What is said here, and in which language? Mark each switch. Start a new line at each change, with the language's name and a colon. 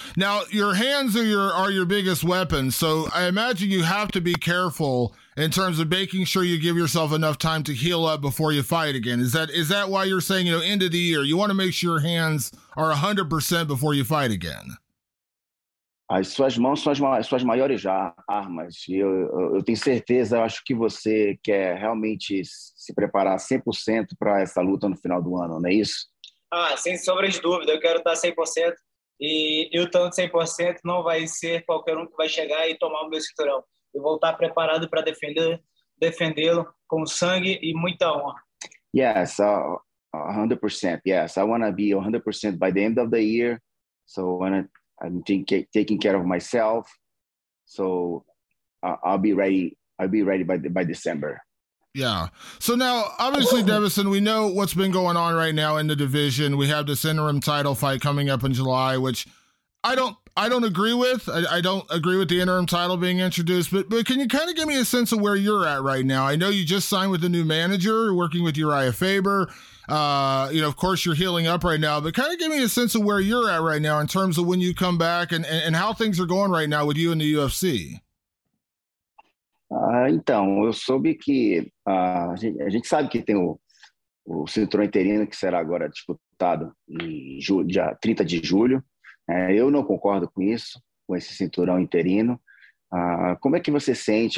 English: Now, your hands are your biggest weapon, so I imagine you have to be careful in terms of making sure you give yourself enough time to heal up before you fight again. Is that why you're saying, you know, end of the year, you want to make sure your hands are 100% before you fight again?
Portuguese: As suas mãos são as suas maiores já armas. Eu tenho certeza, eu acho que você quer realmente se preparar 100% para essa luta no final do ano, não é isso? Ah, sem sombra de dúvida, eu quero estar 100%. E eu estando 100% não vai ser qualquer um que vai chegar e tomar o meu cinturão. Eu vou estar preparado para defendê-lo com sangue e muita honra.
English: Yes, 100%. Yes, I want to be 100% by the end of the year. So I want to... I'm taking care of myself, so I'll be ready by December. Yeah. So now, obviously, Deiveson, we know what's been going on right now in the division. We have this interim title fight coming up in July, which I don't agree with. I don't agree with the interim title being introduced, but can you kind of give me a sense of where you're at right now? I know you just signed with a new manager, working with Uriah Faber. You know, of course, you're healing up right now, but kind of give me a sense of where you're at right now in terms of when you come back and how things are going right now with you in the UFC.
Portuguese: Então, eu soube que a gente sabe que tem o cinturão interino que será agora disputado em julho, dia 30 de julho. Eu não concordo com isso, com esse cinturão interino. Como é que você sente?